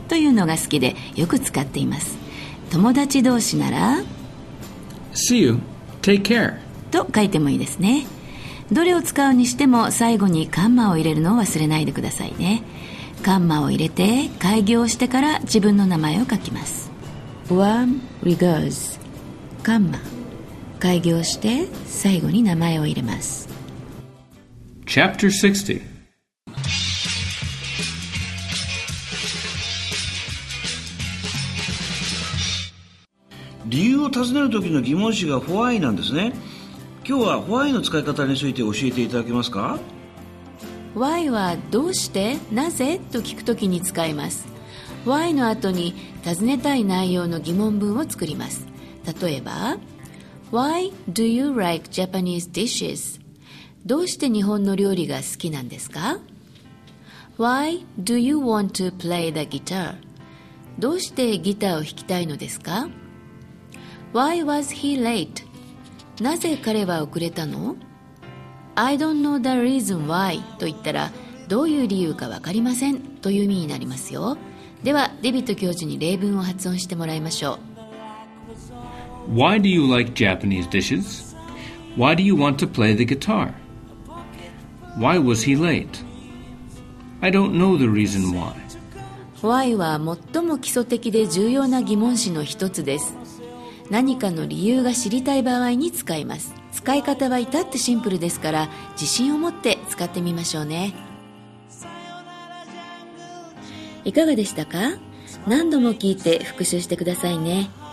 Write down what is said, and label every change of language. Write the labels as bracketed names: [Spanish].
[Japanese] というのが好きでよく使っています。友達同士なら [English] See you, take care [Japanese] と書いてもいいですね。どれを使うにしても最後にカンマを入れるのを忘れないでくださいね。カンマを入れて開業してから自分の名前を書きます。 [English] Warm regards, カンマ。 [Japanese] 開業して最後に名前を入れます。 [English] Chapter 60. [Japanese] 理由を尋ねる時の疑問詞が why なんですね。今日は why の使い方について教えていただけますか。 Why はどうして、なぜと聞く時に使います。 Why の後に尋ねたい内容の疑問文を作ります。例えば [English] Why do you like Japanese dishes? [Japanese] どうして日本の料理が好きなんですか。 [English] Why do you want to play the guitar? [Japanese] どうしてギターを弾きたいのですか。 [English] Why was he late? [Japanese] なぜ彼は遅れたの。 [English] I don't know the reason why [Japanese] と言ったら、どういう理由か分かりませんという意味になりますよ。ではデビット教授に例文を発音してもらいましょう。 [English] Why do you like Japanese dishes? Why do you want to play the guitar? Why was he late? I don't know the reason why. [Japanese] Why は最も基礎的で重要な疑問詞の一つです。何かの理由が知りたい場合に使います。使い方は至ってシンプルですから、自信を持って使ってみましょうね。いかがでしたか。何度も聞いて復習してくださいね。